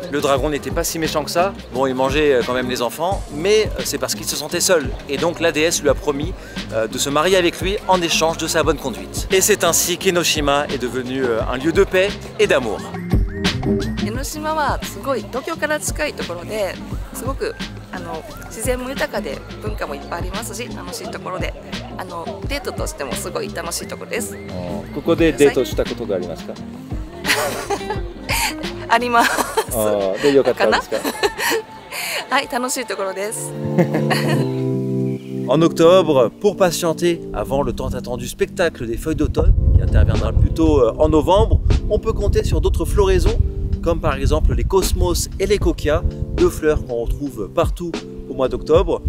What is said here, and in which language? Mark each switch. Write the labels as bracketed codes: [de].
[fr] Le dragon n'était pas si méchant que ça. Bon, il mangeait quand même les enfants, mais c'est parce qu'il se sentait seul. Et donc la déesse lui a promis de se marier avec lui en échange de sa bonne conduite. Et c'est ainsi qu'Enoshima est devenu un lieu de paix et d'amour. Enoshima est un lieu de paix et d'amour. [ja] 自然も豊かで文化もいっぱいありますし、楽しいところで、デートとしてもすごい楽しいところです。ここでデートしたことがありますか？あります。あ、で、よかったですか？はい、楽しいところです。 [fr] En octobre, pour patienter avant le tant attendu spectacle des feuilles d'automne qui interviendra plutôt en novembre, on peut compter sur d'autres floraisons comme par exemple les cosmos et les coquia, deux fleurs qu'on retrouve partout au mois d'octobre.